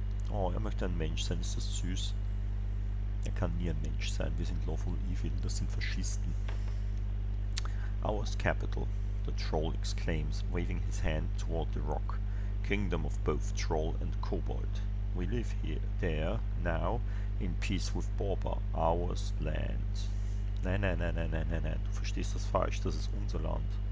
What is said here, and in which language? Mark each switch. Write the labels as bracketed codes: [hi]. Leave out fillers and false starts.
[de] Oh, er möchte ein Mensch sein, ist das süß. Er kann nie ein Mensch sein, wir sind lawful evil, das sind Faschisten. [en] Ours capital, the troll exclaims, waving his hand toward the rock. Kingdom of both troll and kobold. We live here, there, now, in peace with Borba, ours land. [de] Nein, du verstehst das falsch, das ist unser Land.